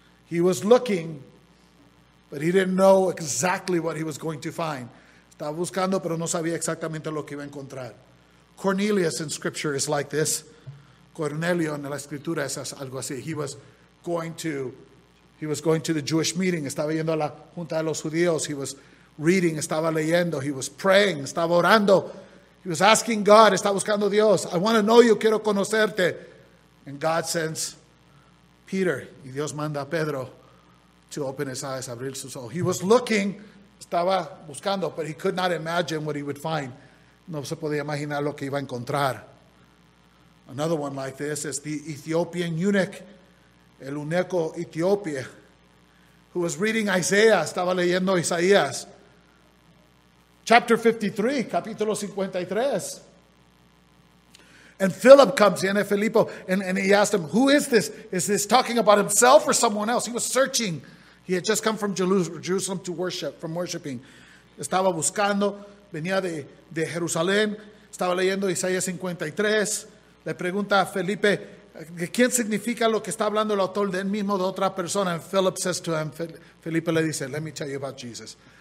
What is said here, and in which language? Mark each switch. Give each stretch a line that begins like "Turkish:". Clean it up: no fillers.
English: He was looking, but he didn't know exactly what he was going to find.
Spanish: Estaba buscando, pero no sabía exactamente lo que iba a encontrar.
English: Cornelius in Scripture is like this.
Spanish: Cornelio en la Escritura es algo así.
English: He was going to the Jewish meeting.
Spanish: Estaba yendo a la Junta de los Judíos.
English: He was reading.
Spanish: Estaba leyendo.
English: He was praying.
Spanish: Estaba orando.
English: He was asking God.
Spanish: Estaba buscando Dios.
English: I want to know you.
Spanish: Quiero conocerte.
English: And God sends Peter,
Spanish: y Dios manda a Pedro
English: to open his eyes,
Spanish: abrir sus ojos.
English: He was looking,
Spanish: estaba buscando,
English: but he could not imagine what he would find.
Spanish: No se podía imaginar lo que iba a encontrar.
English: Another one like this is the Ethiopian eunuch,
Spanish: el eunuco Etiopía,
English: who was reading Isaiah,
Spanish: estaba leyendo Isaías.
English: Chapter 53,
Spanish: capítulo 53.
English: And Philip comes in, and Filippo, and he asked him, who is this? Is this talking about himself or someone else? He was searching. He had just come from Jerusalem to worship, from worshiping.
Spanish: Estaba buscando, venía de Jerusalén, estaba leyendo Isaías 53. Le pregunta a Felipe, ¿quién significa lo que está hablando el autor de él mismo, de otra persona?
English: And Philip says to him,
Spanish: Felipe le dice,
English: let me tell you about Jesus.